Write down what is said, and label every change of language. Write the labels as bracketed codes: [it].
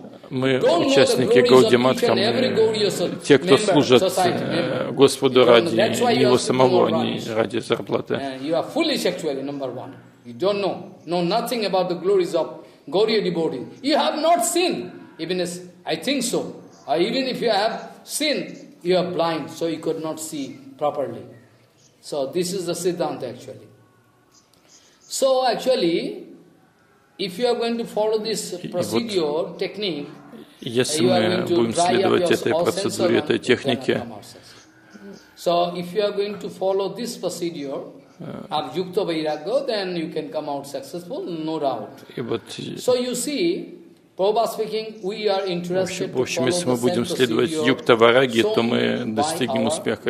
[ru] Мы участники Гаудиматха, те, кто служат Господу ради Его самого, а не ради зарплаты. [en] You are foolish, actually, number one. You don't know, nothing about the glories of Gaudiya devotees. You have not seen, even as I think so. Or even if you have seen, you are blind, so you could not see properly. So this is the Siddhanta, actually. So actually, if you are going to follow this procedure, technique, [ru] если мы будем следовать этой процедуре, этой технике, [en] so if you are going to follow this procedure of yukta vairagya, then you can come out successful, no doubt. So you see, Prabhupada speaking, we are interested to follow the same procedure. [ru] Если мы будем следовать юкта вараги, то мы достигнем успеха.